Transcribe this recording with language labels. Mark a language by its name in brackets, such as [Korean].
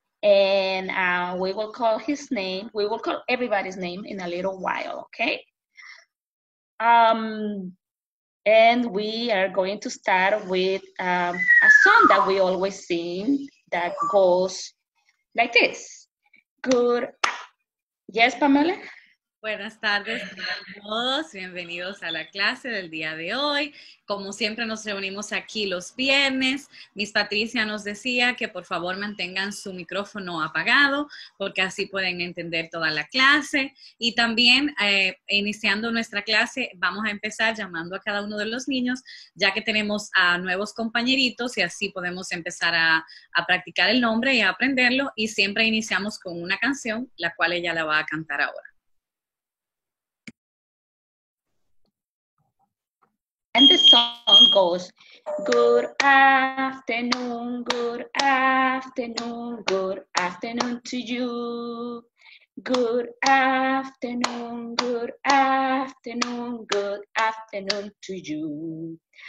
[English] And we will call his name. We will call everybody's name in a little while, okay? And we are going to start with a song that we always sing that goes like this. Good. Yes, Pamela? [Spanish] Buenas tardes a todos. Bienvenidos a la clase del día de hoy. Como siempre, nos reunimos aquí los viernes. Miss Patricia nos decía que por favor mantengan su micrófono apagado porque así pueden entender toda la clase. Y también, iniciando nuestra clase, vamos a empezar llamando a cada uno de los niños, ya que tenemos a nuevos compañeritos y así podemos empezar a practicar el nombre y a aprenderlo. Y siempre iniciamos con una canción, la cual ella la va a cantar ahora. [English] And the song goes, good afternoon, good afternoon, good afternoon to you. Good afternoon, good afternoon, good afternoon to you.